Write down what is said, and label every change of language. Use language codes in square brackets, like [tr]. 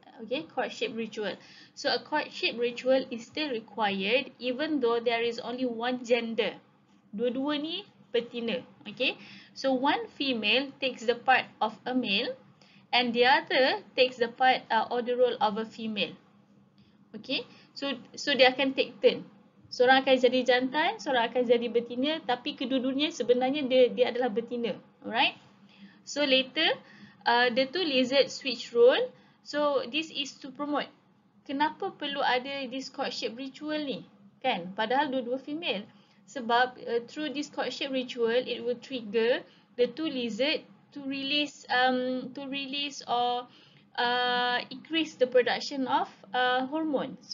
[en] Okay, courtship ritual. So a courtship ritual is still required even though there is only one gender. [ms] Dua-dua ni betina. [en] Okay, so one female takes the part of a male and the other takes the part or the role of a female. [ms] Okay, so dia akan [en] take turn. [ms] Seorang akan jadi jantan, seorang akan jadi betina, tapi kedua-duanya sebenarnya dia adalah betina. [en] Alright? So later, the two lizards switch role. So this is to promote. [ms] Kenapa perlu ada [en] this courtship ritual ni? Kan? [ms] Padahal dua-dua female. [en] Sebab through this courtship ritual, it will trigger the two lizards to release or increase the production of hormones.